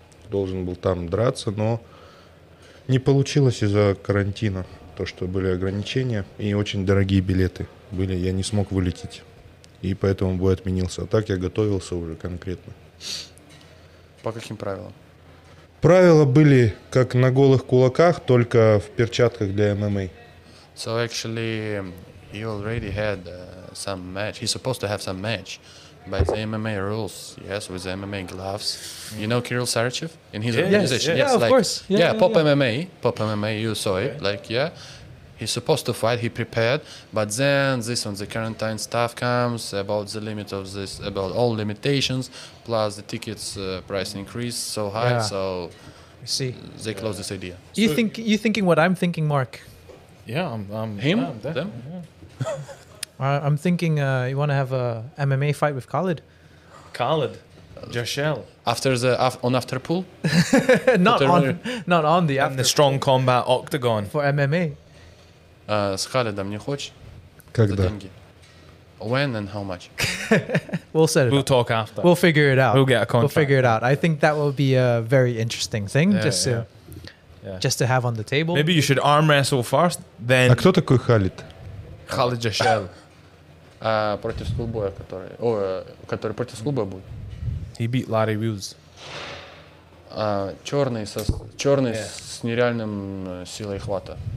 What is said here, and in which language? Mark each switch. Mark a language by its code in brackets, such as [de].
[ru] Должен был там драться, но не получилось из-за карантина, то, что были ограничения и очень дорогие билеты были, я не смог вылететь, и поэтому бой отменился. А так я готовился уже конкретно. По каким правилам? Правила были как на голых кулаках, только в перчатках для ММА. [en] So actually, he already had some match. He's supposed to have some match by the MMA rules. Yes, with the MMA gloves. You know Kirill Sarachev in his organization? Yes, of course. Pop MMA, you saw it. Okay. Like, yeah, he's supposed to fight. He prepared. But then this one, the quarantine stuff comes about the limit of this, about all limitations, plus the tickets price increase so high. Yeah. So I see. They closed this idea. You're thinking what I'm thinking, Mark. Yeah, I'm him? Yeah, them? I'm thinking you want to have a MMA fight with Khalid. Khalid, Jashel. After the on after pool. not on the after. In the strong pool. Combat octagon for MMA. [ru] С Khalid'ом не хочешь? Когда? [en] When and how much? We'll set it we'll up. Talk after. We'll figure it out. We'll get a contract. We'll figure it out. I think that will be a very interesting thing just to have on the table. Maybe you should arm wrestle first, then... [ru] А кто такой Khalid? Khalid Jashel. Против Скулбоя, который против Скулбоя будет. [en] He beat Larry Wills. [ru] Черный с нереальным силой хвата.